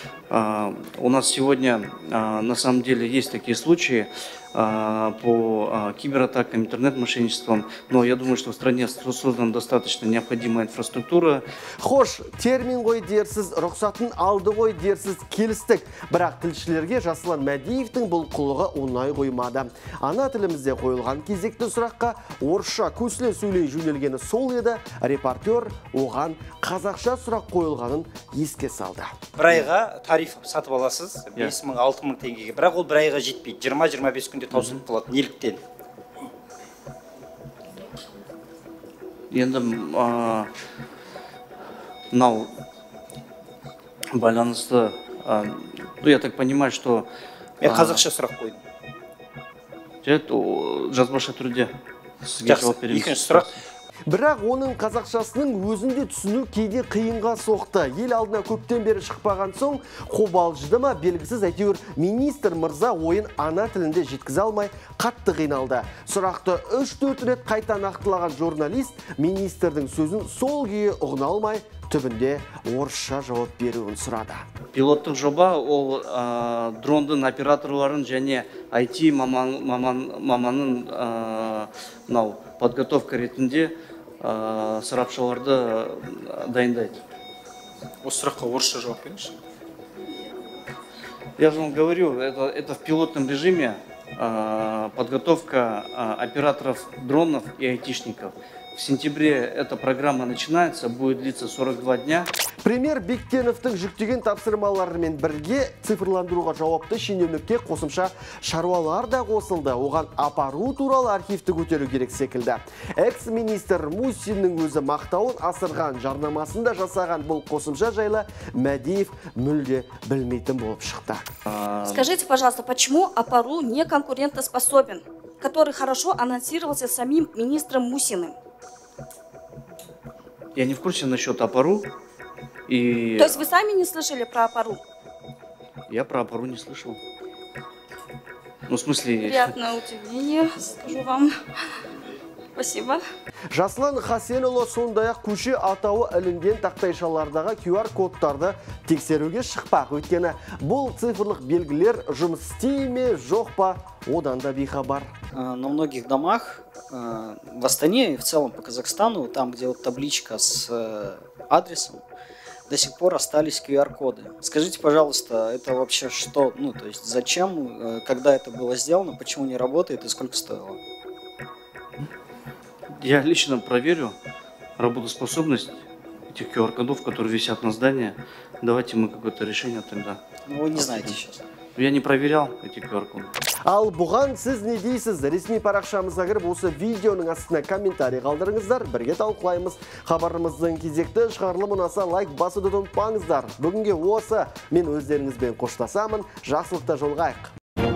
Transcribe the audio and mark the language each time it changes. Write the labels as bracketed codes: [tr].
[ru] У нас сегодня на самом деле есть такие случаи по кибератакам, интернет-мошенничествам, но я думаю, что в стране создана достаточно необходимая инфраструктура. [kk] Хош, термин ғой дерсіз, рұқсатын алды ғой дерсіз келістік, бірақ тілшілерге Жасұлан Мәдиевтің бұл қылығы оңай қоймады. Ана тілімізде қойылған кезекті сұраққа орысша көсіле сөйлей жөнелгені сол еді, репортер оған қазақша сұрақ қойылғанын еске салды. Бір айға тариф сатып аласыз 5000-6000 теңгеге, бірақ ол бір айға жетпейді, 20-25 күнде таусылып қалады. Неліктен? Енді мынау байланысты, [ru] я так понимаю, что... [kk] Мен қазақша сұрақ қойдым. Жазбаша түрде сізге жауап беремін. Екінші сұрақ. Бірақ оның қазақшасының өзінде түсіну кейде қиынға соқты. Ел алдына көптен бері шықпаған соң, қобалжыды ма белгісіз, әйтеуір министр мырза ойын ана тілінде жеткізе алмай қатты қиналды. Сұрақты 3-4 рет қайта нақтылаған журналист министрдің сөзін сол күйі ұғына алмай, түбінде орысша жауап беруін сұрады. Пилоттық жоба ол дрондың операторларын және IT маманын подготовка ретінде сарапшыларды дайындайды. Осы сұраққа орысша жауап беріңізші. [ru] Я же вам говорю, это в пилотном режиме подготовка операторов дронов и айтишников. В сентябре эта программа начинается, будет длиться 42 дня. [kk] Премьер Бектеновтың жүктеген тапсырмаларымен бірге цифрландыруға жауапты шенеунікке қосымша шаруалар да қосылды. Оған апару туралы архивті көтеру керек секілді. Экс-министр Мусиннің өзі мақтауын асырған жарнамасында жасаған бұл қосымша жайлы Мәдиев мүлде білмейтін болып шықты. [ru] Скажите, пожалуйста, почему апару не конкурентоспособен, который хорошо анонсировался самим министром Мусиным? Я не в курсе насчет АПАРУ. И... То есть вы сами не слышали про АПАРУ? Я про АПАРУ не слышал. Ну, в смысле... Приятное удивление, скажу вам. Спасибо. [kk] Жасұлан Хасенұлы сондай-ақ көше атауы ілінген тақтайшалардағы QR-кодтарды тексеруге шықпақ. Өйткені бұл цифрлық белгілер жұмыс істей ме, жоқ па, одан да бейхабар. [ru] На многих домах в Астане и в целом по Казахстану, там, где вот табличка с адресом, до сих пор остались QR-коды. Скажите, пожалуйста, это вообще что? Ну, то есть зачем, когда это было сделано, почему не работает и сколько стоило? Я лично проверю работоспособность этих QR-кодов, которые висят на здании. Давайте мы какое-то решение тогда. Ну, вы не знаете сейчас. Я не проверял эти QR-ку. [kk] Ал буған сіз не дейсіз? Ресми парақшамызға кіріп, осы видеоның астына комментарий қалдырыңыздар. Бірге талқылаймыз. Хабарымыздың кезекті шығарылымын аса лайк басуды ұмытпаңыздар. Бүгінге осы. Мен өздеріңізбен қоштасамын. Жақсылықта жолығайық.